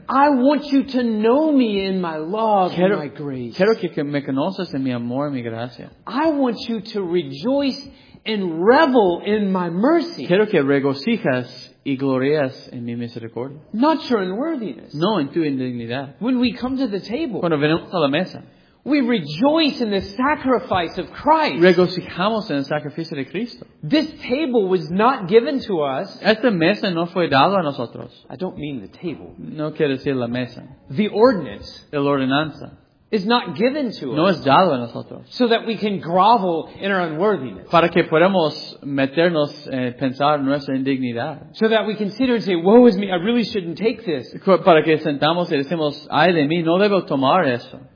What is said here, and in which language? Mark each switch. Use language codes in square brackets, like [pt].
[en] I want you to know me in my love and my grace. [es] Quiero que me conozcas en mi amor y mi gracia. [en] I want you to rejoice and revel in my mercy. [es] Quiero que regocijas y glorias en mi misericordia. [en] Not your unworthiness. [es] No, en tu indignidad. [en] When we come to the table. [es] Cuando venimos a la mesa. [en] We rejoice in the sacrifice of Christ. [es] Regocijamos en el sacrificio de Cristo. [en] This table was not given to us. [es] Esta mesa no fue dada a nosotros. [en] I don't mean the table. [es] No quiero decir la mesa. [en] The ordinance. [es] El ordenanza. [en] Is not given to us. [es] No es dado a nosotros. [en] So that we can grovel in our unworthiness. [es] Para que podamos meternos pensar en nuestra indignidad. [en] So that we consider and say, woe is me, I really shouldn't take this. [es] Para que sentamos y decimos, ay de mí, no debo tomar eso.